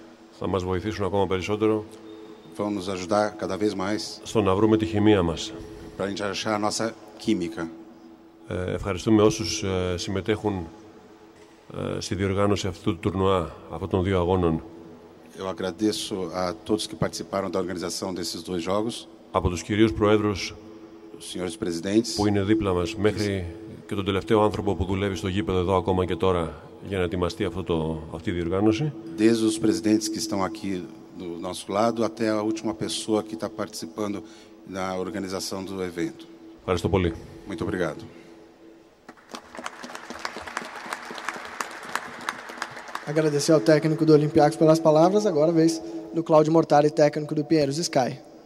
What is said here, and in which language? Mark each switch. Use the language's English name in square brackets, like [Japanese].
[Greek] Θα μας βοηθήσουν ακόμα περισσότερο. [Portuguese] Vão nos ajudar cada vez mais. [Greek] Στο να βρούμε τη χημεία μας. [Portuguese] Para a gente achar a nossa química. [Greek] Ευχαριστούμε όσους συμμετέχουν στη διοργάνωση αυτού του τουρνουά, αυτών των δύο αγώνων. [Portuguese] Eu agradeço a todos que participaram da organização desses dois jogos. [Greek] Από τους κυρίους προέδρους, [Portuguese] os senhores presidentes, [Greek] που είναι δίπλα μας, μέχρι και τον τελευταίο άνθρωπο που δουλεύει στο γήπεδο εδώ ακόμα και τώρα για να ετοιμαστεί αυτή η διοργάνωση. [Portuguese] Desde os presidentes que estão aqui do nosso lado até a última pessoa que está participando na organização do evento. [Greek] Ευχαριστώ πολύ. [Portuguese] Muito obrigado. Agradecer ao técnico do Olympiacos pelas palavras, agora a vez do Claudio Mortari, técnico do Pinheiros Sky.